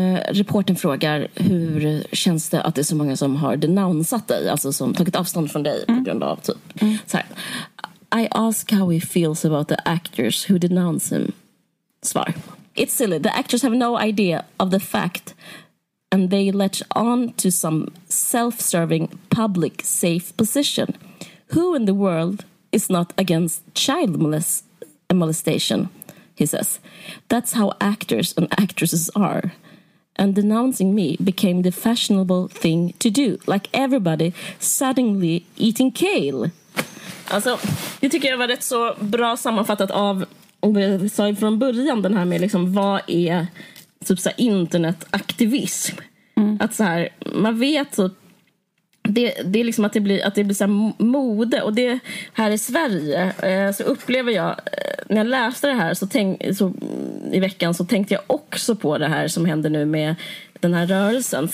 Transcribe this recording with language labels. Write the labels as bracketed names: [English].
[Swedish] Reporten frågar, hur känns det att det är så många som har denounsat dig, alltså som tagit avstånd från dig på grund av typ. Så här. [English] I ask how he feels about the actors who denounce him. [Swedish] Svar. [English] It's silly. The actors have no idea of the fact and they latch on to some self-serving public safe position. Who in the world is not against child molestation? He says. That's how actors and actresses are. and denouncing me became the fashionable thing to do. Like everybody suddenly eating kale. [Swedish] Alltså, det tycker jag var rätt så bra sammanfattat av, om vi sa från början, den här med liksom, vad är typ så här, internetaktivism? Mm. Att så här, man vet så, det är liksom att det blir så här mode. Och det här i Sverige, så upplever jag, när jag läste det här så i veckan, så tänkte jag också på det här som händer nu med den här rörelsen.